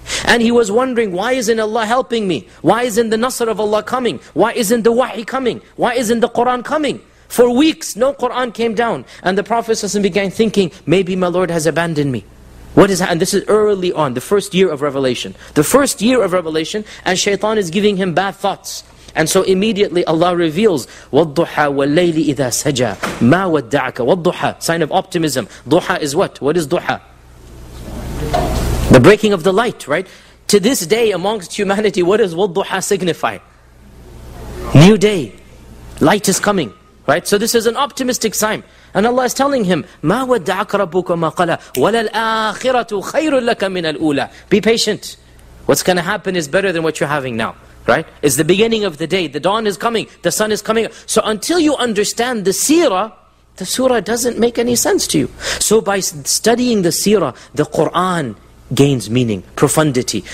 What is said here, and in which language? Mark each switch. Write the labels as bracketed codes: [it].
[en] And he was wondering, why isn't Allah helping me? Why isn't the Nasr of Allah coming? Why isn't the Wahi coming? Why isn't the Qur'an coming? For weeks, no Qur'an came down. And the Prophet ﷺ began thinking, maybe my Lord has abandoned me. What is that? And this is early on, the first year of revelation. The first year of revelation, and shaitan is giving him bad thoughts. And so immediately Allah reveals, [ar] وَالضُّحَى وَاللَّيْلِ إِذَا سَجَى مَا وَدَّعَكَ وَالضُّحَى. [en] Sign of optimism. Duha is what? What is duha? The breaking of the light, right? To this day amongst humanity, what does wadduha signify? New day. Light is coming, right? So this is an optimistic sign. And Allah is telling him, [ar] مَا وَدَّعَكَ رَبُّكَ مَا قَلَى وَلَا الْآخِرَةُ خَيْرٌ لَكَ مِنَ الْأُولَى. [en] Be patient. What's going to happen is better than what you're having now. Right? It's the beginning of the day. The dawn is coming. The sun is coming. So until you understand the seerah, the surah doesn't make any sense to you. So by studying the seerah, the Qur'an gains meaning, profundity.